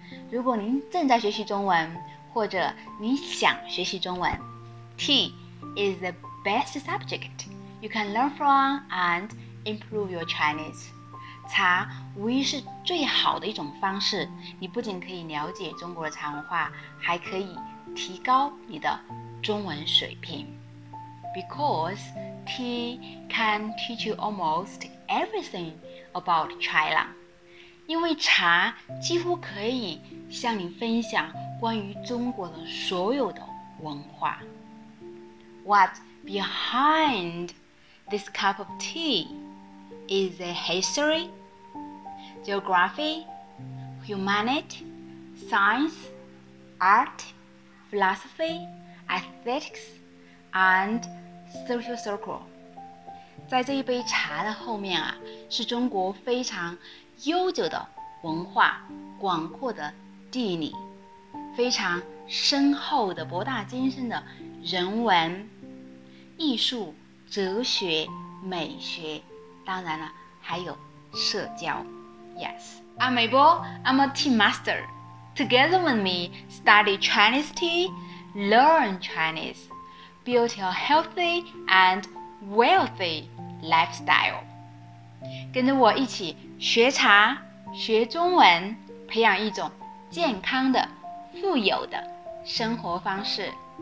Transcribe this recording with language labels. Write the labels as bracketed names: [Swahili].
[Chinese] 如果您正在学习中文，或者你想学习中文。 [English] T is the best subject you can learn from and improve your Chinese. [Chinese] 茶无疑是最好的一种方式，你不仅可以了解中国的茶文化，还可以提高你的中文水平。 [English] Because tea can teach you almost everything about China. [Chinese] 因为茶几乎可以向你分享关于中国的所有的文化。 [English] What's behind this cup of tea? Is it history, geography, humanity, science, art, philosophy, aesthetics, and social circle? [Chinese] 在这一杯茶的后面啊，是中国非常悠久的文化、广阔的地理、非常深厚的博大精深的人文、艺术、哲学、美学，当然了，还有社交。 [English] Yes, I'm Mabel. I'm a tea master. Together with me, study Chinese tea, learn Chinese, build a healthy and wealthy lifestyle. [Chinese] 跟着我一起学茶、学中文，培养一种健康的、富有的生活方式。